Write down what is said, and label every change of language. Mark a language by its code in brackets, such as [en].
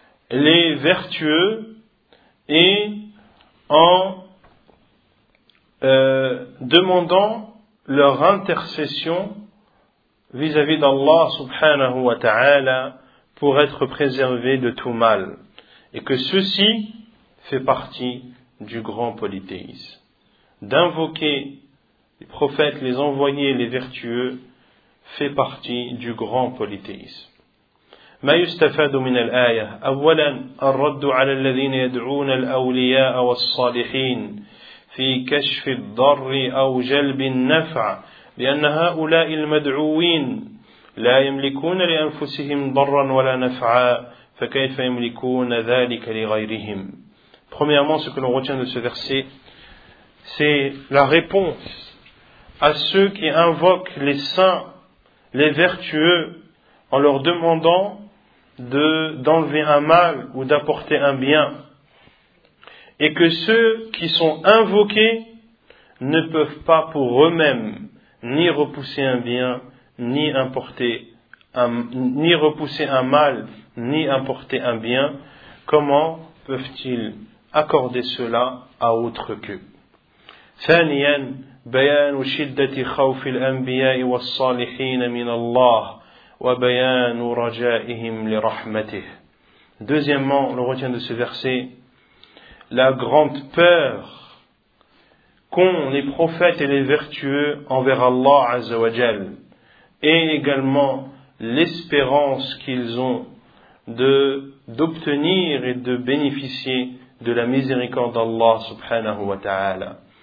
[fr] les vertueux et en demandant leur intercession vis-à-vis d'Allah subhanahu wa ta'ala pour être préservés de tout mal. Et que ceci fait partie du grand polythéisme. D'invoquer les prophètes, les envoyés, les vertueux, fait partie du grand polythéisme. [ar] ما يستفاد من الآية؟ أولا الرد على الذين يدعون الأولياء والصالحين في كشف الضر أو جلب النفع، لأن هؤلاء المدعوين لا يملكون لأنفسهم ضرا ولا نفعا، فكيف يملكون ذلك لغيرهم؟ [fr] Premièrement, ce que l'on retient de ce verset, c'est la réponse à ceux qui invoquent les saints, les vertueux, en leur demandant d'enlever un mal ou d'apporter un bien, et que ceux qui sont invoqués ne peuvent pas pour eux-mêmes ni repousser un bien ni importer un ni repousser un mal ni importer un bien, comment peuvent-ils accorder cela à autre que [ar] ثانياً بيان شدة خوف الأنبياء والصالحين من الله وبيان رجائهم لرحمته. [fr] Deuxièmement, on retient de ce verset la grande peur qu'ont les prophètes et les vertueux envers Allah Azza wa Jal, et également l'espérance qu'ils ont d'obtenir et de bénéficier de la miséricorde d'Allah subhanahu wa ta'ala.